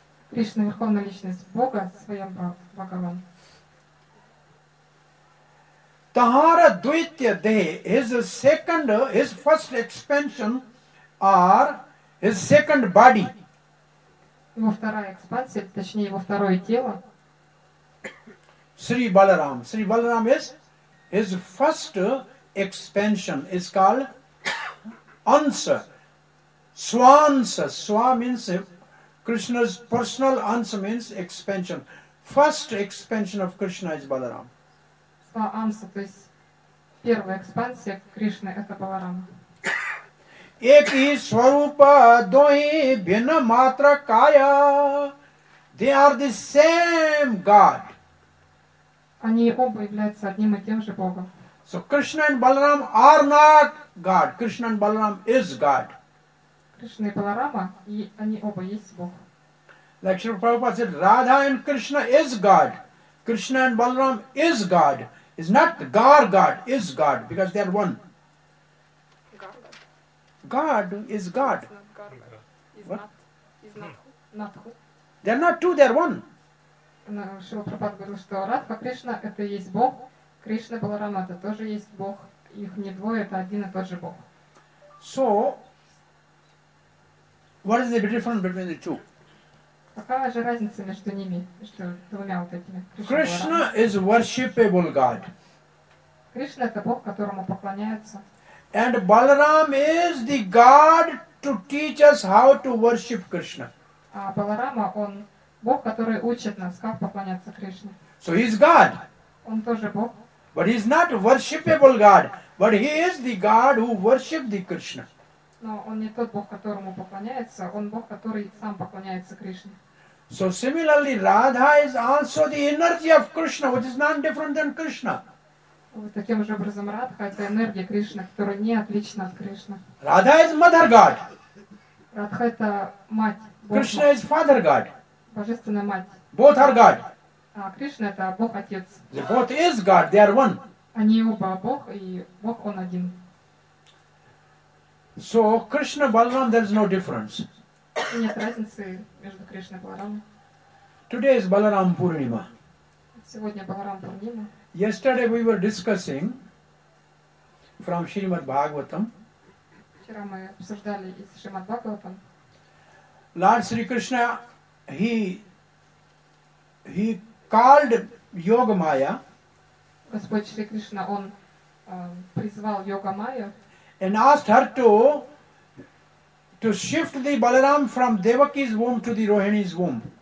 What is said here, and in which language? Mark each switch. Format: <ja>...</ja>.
<ru>Кришна – Верховная Личность Бога, Своям Бхагаван.</ru> <sa>Tahara Dvitya Dehe,</sa> <en>his second, his first expansion, or his second body.</en> <ru>Его вторая экспансия, точнее его второе тело.</ru> <en>Sri Balaram. Sri Balaram is his first expansion. It's called Ansa. Swansa. Swa means Krishna's personal Ansa means expansion. First expansion of Krishna is Balaram.</en> <ru>Ansa, то есть первая экспансия Кришны это Баларама.</ru> <sa>Эки сварупа дохи бина матра кая.</sa> <en>They are the same God.</en> <ru>Они оба являются одним и тем же Богом.</ru> <en>So Krishna and Balaram are not God. Krishna and Balaram is God. Кришна и Баларама, и они оба есть Бог. Like Shri Prabhupada said, Radha and Krishna is God. Krishna and Balaram is God. Is not God, God is God, because they are one. God is God. Is what? Not, is not, they are not two, they are one.</en> <ru>Шрила Прабхупада говорил, что Радха Кришна – это есть Бог, Кришна Баларама – это тоже есть Бог. Их не двое, это один и тот же Бог.</ru> <en>So, what is the difference between the two?</en> <ru>Какая же разница между ними, между двумя вот этими?</ru> <en>Krishna is worshipable God.</en> <ru>Кришна это Бог, которому поклоняются.</ru> <en>And Balaram is the God to teach us how to worship Krishna.</en> <ru>А Баларама он Бог, который учит нас, как поклоняться Кришне.</ru> <en>So he is God.</en> <ru>Он тоже Бог.</ru> <en>But he is not worshipable God. But he is the God who worships the Krishna.</en> <ru>Но он не тот Бог, которому поклоняется, он Бог, который сам поклоняется Кришне.</ru> <en>So similarly, Radha is also the energy of Krishna, which is not different than Krishna.</en> <ru>Вот таким же образом Радха – это энергия Кришны, которая не отлична от Кришны.</ru> <en>Radha is Mother God.</en> <ru>Радха – это Мать.</ru> <en>Krishna is Father God.</en> <ru>Божественная Мать.</ru> <en>Both are God.</en> <ru>А Кришна – это Бог Отец.</ru> <en>They both is God, they are one.</en> <ru>Они оба Бог, и Бог – Он один.</ru> <en>So Krishna Balaram, there is no difference.</en> <ru>Нет разницы между Кришной и Баларамой.</ru> <en>Today is Balaram Purnima.</en> <ru>Сегодня Баларам Пурнима.</ru> <en>Yesterday we were discussing from Shrimad Bhagavatam.</en> <ru>вчера мы обсуждали из Шримад Бхагаватам.</ru> <en>Lord Sri Krishna, he called Yoga Maya.</en> <ru>Господь Шри Кришна, он призвал Йога Майю.</ru> <en>And asked her to shift the Balaram from Devaki's womb to the Rohini's womb.</en>